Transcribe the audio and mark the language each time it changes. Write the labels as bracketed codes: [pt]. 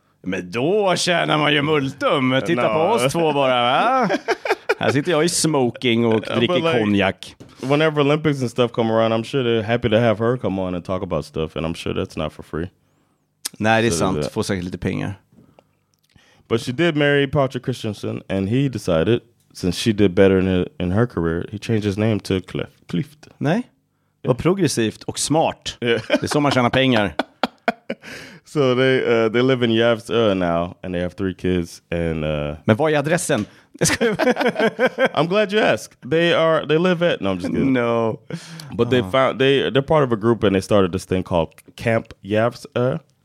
[sv] Men då tjänar man ju multum. Titta på oss två bara, va? Här sitter jag i smoking och dricker like, konjak. [en] Whenever Olympics and stuff come around, I'm sure they're happy to have her come on and talk about stuff. And I'm sure that's not for free. [sv] Nej, det är sant. Det. Får säkert lite pengar. [en] But she did marry Patrick Christensen. And he decided, since she did better in her career, he changed his name to Clift. [sv] Nej. [en] Yeah. [sv] Var progressivt och smart. [en] Yeah. [sv] Det är så man tjänar pengar. [en] So they live in Järvsö now, and they have 3 kids. And [sv] men var är adressen? [en] I'm glad you asked. They live at. No, I'm just kidding. No, but they found they're part of a group, and they started this thing called Camp Järvsö.